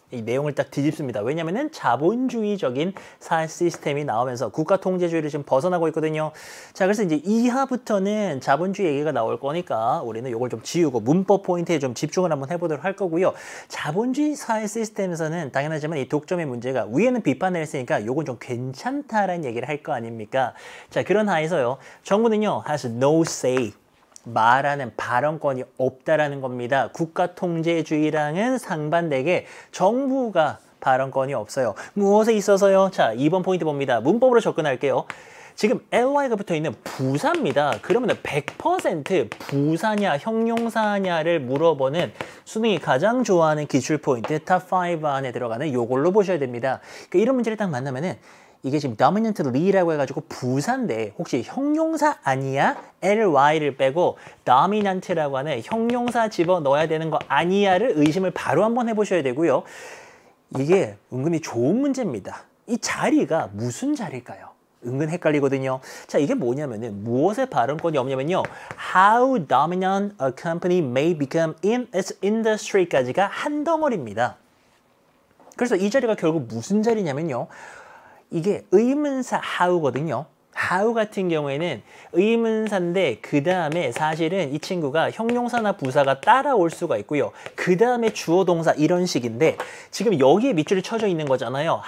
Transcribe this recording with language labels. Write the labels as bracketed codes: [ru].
[ko] 이 내용을 딱 뒤집습니다. 왜냐면은 자본주의적인 사회 시스템이 나오면서 국가 통제주의를 지금 벗어나고 있거든요. 자, 그래서 이제 이하부터는 자본주의 얘기가 나올 거니까 우리는 이걸 좀 지우고 문법 포인트에 좀 집중을 한번 해보도록 할 거고요. 자본주의 사회 시스템에서는 당연하지만 이 독점의 문제가 위에는 비판을 했으니까 요건 좀 괜찮다라는 얘기를 할 거 아닙니까? 자, 그런 하에서요. 정부는요, [en] has no say. [ko] 말하는 발언권이 없다라는 겁니다. 국가 통제주의랑은 상반되게 정부가 발언권이 없어요. 무엇에 있어서요? 자, 2번 포인트 봅니다. 문법으로 접근할게요. 지금 ly가 붙어있는 부사입니다. 그러면 100% 부사냐 형용사냐를 물어보는 수능이 가장 좋아하는 기출 포인트 탑5 안에 들어가는 요걸로 보셔야 됩니다. 그러니까 이런 문제를 딱 만나면은 이게 지금 dominant lead라고 해가지고 부사인데 혹시 형용사 아니야? ly를 빼고 dominant라고 하는 형용사 집어넣어야 되는 거 아니야를 의심을 바로 한번 해보셔야 되고요. 이게 은근히 좋은 문제입니다. 이 자리가 무슨 자리일까요? 은근 헷갈리거든요. 자, 이게 뭐냐면은 무엇의 발언권이 없냐면요. [en] How dominant a company may become in its industry [ko] 까지가 한 덩어리입니다. 그래서 이 자리가 결국 무슨 자리냐면요. 이게 의문사 how거든요. how 같은 경우에는 의문사인데 그 다음에 사실은 이 친구가 형용사나 부사가 따라올 수가 있고요. 그 다음에 주어동사 이런 식인데 지금 여기에 밑줄이 쳐져 있는 거잖아요.